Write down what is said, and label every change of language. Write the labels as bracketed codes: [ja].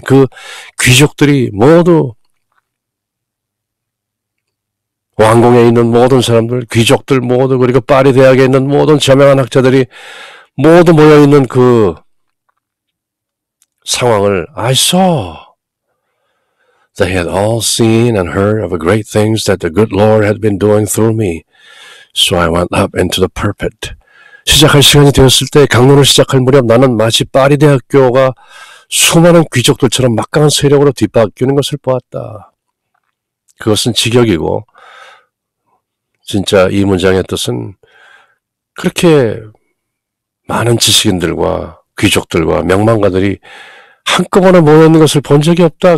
[ko] 그 귀족들이 모두 왕궁에 있는 모든 사람들, 귀족들 모두, 그리고 파리 대학에 있는 모든 저명한 학자들이 모두 모여있는 그 상황을 [en] I saw. They had all seen and heard of the great things that the good Lord had been doing through me. So I went up into the pulpit. [ko] 시작할 시간이 되었을 때 강론을 시작할 무렵 나는 마치 파리 대학교가 수많은 귀족들처럼 막강한 세력으로 뒤바뀌는 것을 보았다. 그것은 직역이고 진짜 이 문장의 뜻은 그렇게 많은 지식인들과 귀족들과 명망가들이 한꺼번에 모여있는 것을 본 적이 없다.